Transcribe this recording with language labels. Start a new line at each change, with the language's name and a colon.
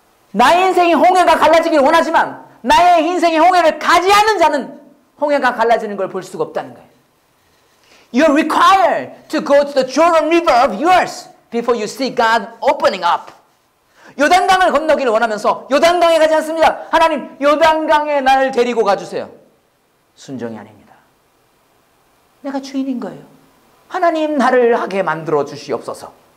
Korean: 나의 인생이 홍해가 갈라지길 원하지만 나의 인생이 홍해를 가지 않는 자는 홍해가 갈라지는 걸 볼 수가 없다는 거예요.
English: You're required to go to the Jordan River of yours before you see God opening up.
Korean: 요단강을 건너기를 원하면서 요단강에 가지 않습니다. 하나님, 요단강에 나를 데리고 가주세요. 순종이 아닙니다. 내가 주인인 거예요. 하나님, 나를 하게 만들어 주시옵소서.